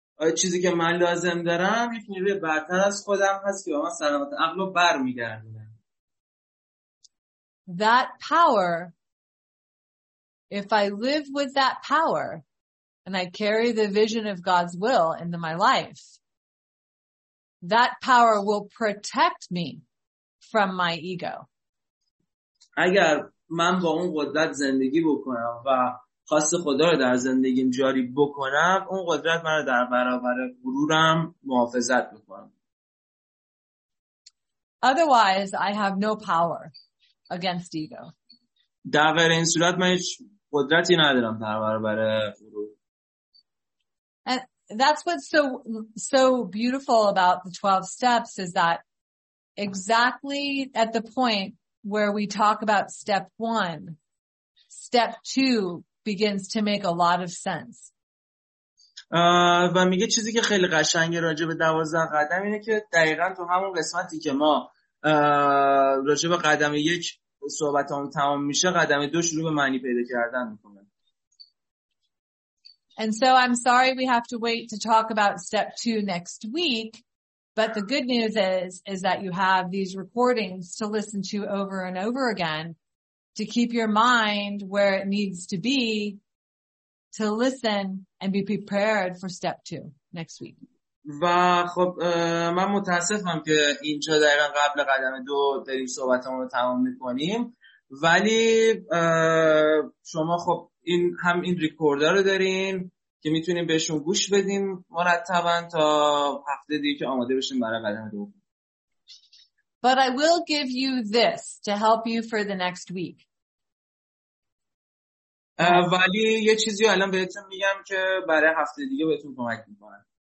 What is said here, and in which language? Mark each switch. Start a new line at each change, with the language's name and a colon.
Persian: چیزی که من لازم دارم یک نیروی برتر از خودم هست که با من سلامت عقل رو برمیگردونه.
English: That power, if I live with that power and I carry the vision of God's will into my life, that power will protect me from my ego.
Persian: اگر من با اون قدرت زندگی بکنم و خواست خدا رو در زندگیم جاری بکنم، اون قدرت من رو در برابر غرورم محافظت بکنم.
English: Otherwise, I have no power against ego.
Persian: در غیر این صورت من هیچ قدرتی ندارم در برابر غرور.
English: And that's what's so beautiful about the 12 steps is that exactly at the point where we talk about step 1, step 2 begins to make a lot of sense.
Persian: و میگه چیزی که خیلی قشنگه راجع به 12 قدم اینه که دقیقاً تو همون قسمتی که ما راجع به قدم 1 صحبت هم تمام میشه، قدم 2 شروع به معنی پیدا کردن میکنه.
English: And so I'm sorry we have to wait to talk about step 2 next week, but the good news is that you have these recordings to listen to over and over again to keep your mind where it needs to be, to listen and be prepared for step two next week.
Persian: و خب من متاسفم که اینجا دقیقا قبل قدم دو داریم صحبتمون رو تمام میکنیم، ولی شما خب این هم این ریکوردر رو دارین که میتونیم بهشون گوش بدیم مرتبا تا هفته دیگه که آماده بشیم برای قدم دو.
English: But I will give you this to help you for the next week.
Persian: ولی یه چیزی الان بهتون میگم که برای هفته دیگه بهتون کمک میکنه.